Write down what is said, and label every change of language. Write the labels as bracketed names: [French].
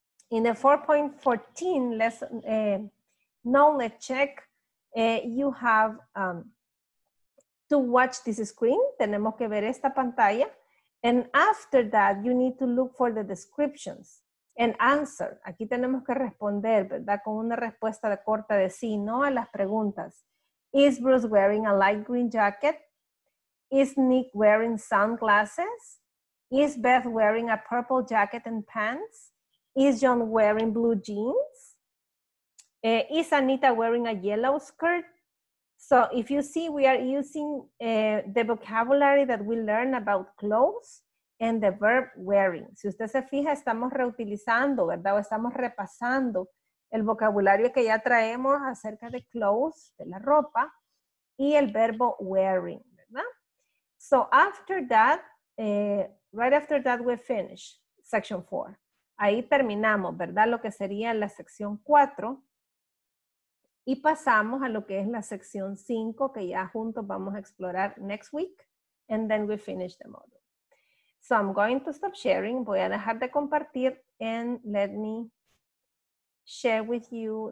[English] In the 4.14 lesson, knowledge check, you have to watch this screen. [Spanish] Tenemos que ver esta pantalla. [English] And after that, you need to look for the descriptions. And answer, [Spanish] aquí tenemos que responder, ¿verdad? Con una respuesta de corta de sí, ¿no? A las preguntas. [English] Is Bruce wearing a light green jacket? Is Nick wearing sunglasses? Is Beth wearing a purple jacket and pants? Is John wearing blue jeans? Is Anita wearing a yellow skirt? So if you see, we are using the vocabulary that we learn about clothes. and the verb wearing. [Spanish] Si usted se fija, estamos reutilizando, ¿verdad? O estamos repasando el vocabulario que ya traemos acerca de clothes, de la ropa, y el verbo wearing, ¿verdad? [English] So after that, right after that we finish section 4. [Spanish] Ahí terminamos, ¿verdad? Lo que sería la sección 4. Y pasamos a lo que es la sección 5, que ya juntos vamos a explorar [English] next week. And then we finish the module. So I'm going to stop sharing. [Spanish] Voy a dejar de compartir. [English] And let me share with you.